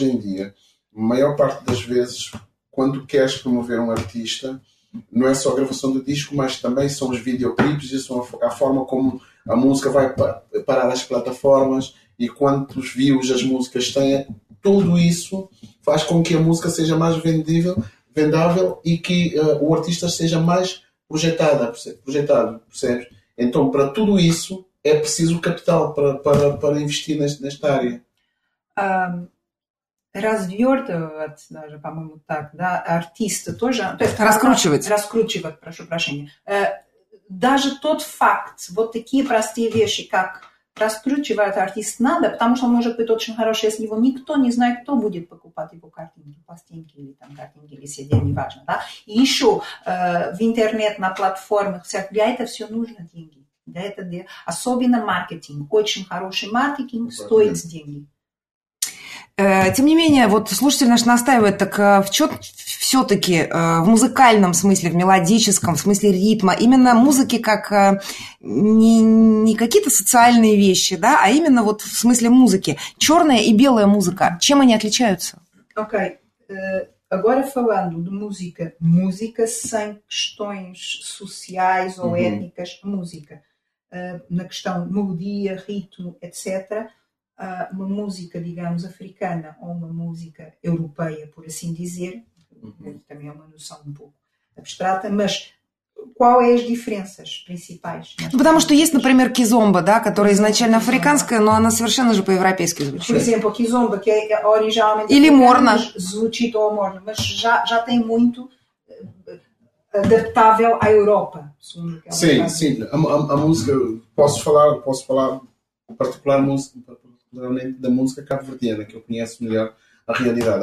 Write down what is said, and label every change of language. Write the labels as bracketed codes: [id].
[pt] И maior parte das vezes, quando queres promover um artista, não é só a gravação do disco, mas também são os videoclipes, e são a forma como a música vai parar as plataformas e quantos views as músicas têm. Tudo isso faz com que a música seja mais vendável e que o artista seja mais projetado, percebes? Então, para tudo isso, é preciso capital para investir nesta área. [ru] Развертывать даже, по-моему, так, да, артиста тоже... То есть, раскручивать. Раскручивать, прошу прощения. Даже тот факт, вот такие простые вещи, как раскручивать артист надо, потому что он может быть очень хороший, если его никто не знает, кто будет покупать его картинки, пластинки или там картинки, или CD, неважно, да. И еще в интернет, на платформах, всех, для этого все нужно деньги. Для этого, особенно маркетинг. Очень хороший маркетинг стоит деньги. Тем не менее, вот слушатель наш настаивает, так все-таки в музыкальном смысле, в мелодическом, в смысле ритма, именно музыки как не какие-то социальные вещи, да, а именно вот в смысле музыки. Черная и белая музыка, чем они отличаются? [pt] Окей. Agora falando de música. Музыка sem questões sociais ou étnicas. [ru] Музыка. [pt] На questão [ru] мелодия, ритм, [pt] etc., uma música, digamos, africana ou uma música europeia, por assim dizer, também é uma noção um pouco abstrata, mas qual é as diferenças principais? [ru] Потому что есть, например, кизомба, да, которая изначально африканская, но она совершенно же по-европейски звучит. [pt] Por exemplo, kizomba, que é originalmente... [ru] Или morna. Звучит [pt] ou morna, mas já tem muito adaptável à Europa. Sim. A música, posso falar particular música, realmente da música cabo-verdiana, que eu conheço melhor a realidade.